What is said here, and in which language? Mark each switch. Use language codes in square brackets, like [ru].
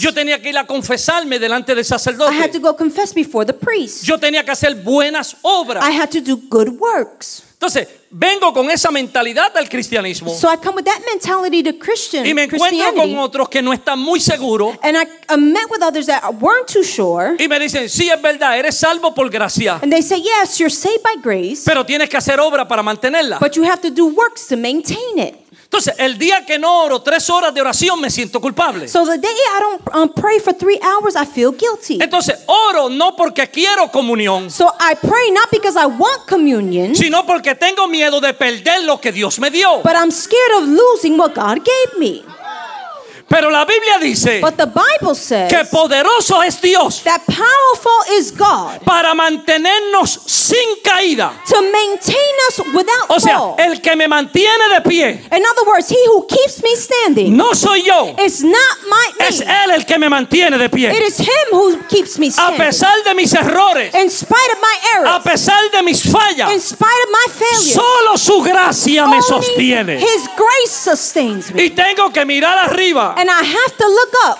[es] Yo tenía que ir a confesarme delante del sacerdote. [en] I had to go confess before the priest. [es] Yo tenía que hacer buenas obras. [en] I had to do good works. [es] Entonces, vengo con esa mentalidad al cristianismo. [en] So I come with that mentality to Christian. [es] Y me encuentro con otros que no están muy seguros. [en] And I met with others that weren't too sure. [es] Y me dicen, sí, es verdad, eres salvo por gracia. [en] And they say, yes, you're saved by grace. [es] Pero tienes que hacer obra para mantenerla. [en] But you have to do works to maintain it. [es] Entonces, el día que no oro 3 horas de oración, me siento culpable. [en] So the day I don't pray for 3 hours, I feel guilty. [es] Entonces, oro no porque quiero comunión. [en] So I pray not because I want communion. [es] Sino porque tengo miedo de perder lo que Dios me dio. [en] But I'm scared of losing what God gave me. [es] Pero la Biblia dice. [en] But the Bible says. [es] Que poderoso es Dios. [en] That powerful is God. [es] Para mantenernos sin caída. [en] To maintain us without fall. [es] O sea, el que me mantiene de pie. [en] In other words, he who keeps me standing. [es] No soy yo. [en] It's not my name. [es] Es él el que me mantiene de pie. [en] It is him who keeps me standing. [es] A pesar de mis errores. [en] In spite of my errors. [es] A pesar de mis fallas. [en] In spite of my failures. [es] Solo su gracia me sostiene. [en] Only his grace sustains me. [es] Y tengo que mirar arriba. [en] And I have to look up